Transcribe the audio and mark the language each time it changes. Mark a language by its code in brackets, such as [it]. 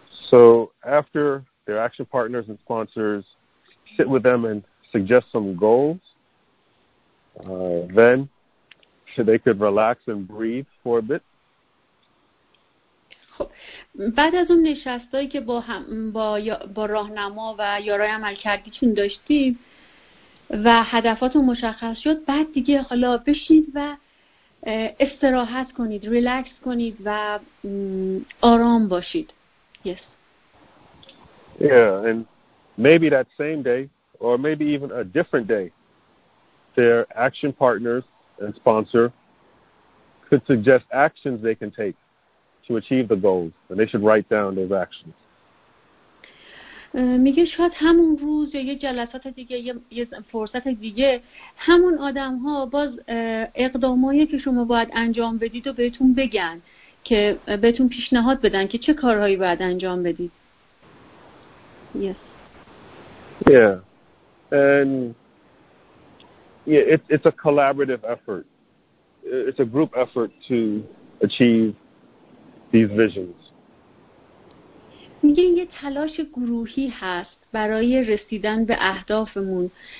[en] So after their action partners and sponsors sit with them and suggest some goals, then they could relax and breathe for a bit. [fa] خب بعد از اون نشستایی که با راهنما و یارای عملکردیشون داشتیم و هدفاتون مشخص شد، بعد دیگه حالا بشید و استراحت کنید، ریلکس کنید و آرام باشید. [en] Yes. Yeah, and maybe that same day or maybe even a different day their action partners and sponsor could suggest actions they can take to achieve the goals and they should write down those actions. [fa] میگه شاید همون روز یا یه جلسات دیگه، یه فرصت دیگه، همون آدم ها باز اقدامایی که شما باید انجام بدید و بهتون بگن که بهتون پیشنهاد بدن که چه کارهایی باید انجام بدید. [en] Yes. Yeah. And yeah, it's a collaborative effort. It's a group effort to achieve these visions. [fa] میگه یه تلاش گروهی هست برای رسیدن به اهدافمون.